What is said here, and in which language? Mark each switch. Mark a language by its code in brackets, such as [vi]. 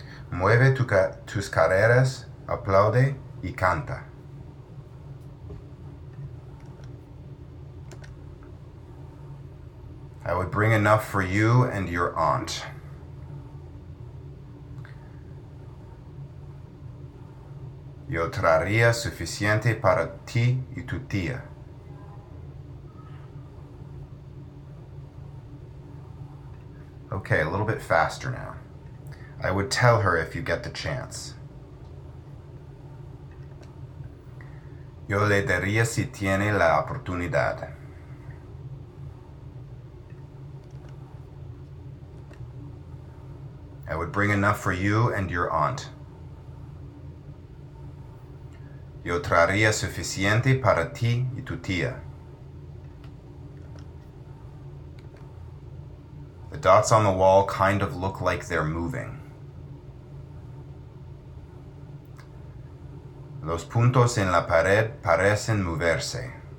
[es] Mueve tus caderas, aplaude y canta. [en] I would bring enough for you and your aunt. [es] Yo traería suficiente para ti y tu tía. [en] Okay, a little bit faster now. I would tell her if you get the chance. [es] Yo le diría si tiene la oportunidad. [en] I would bring enough for you and your aunt. [es] Yo traería suficiente para ti y tu tía. [en] The dots on the wall kind of look like they're moving. [es] Los puntos en la pared parecen moverse.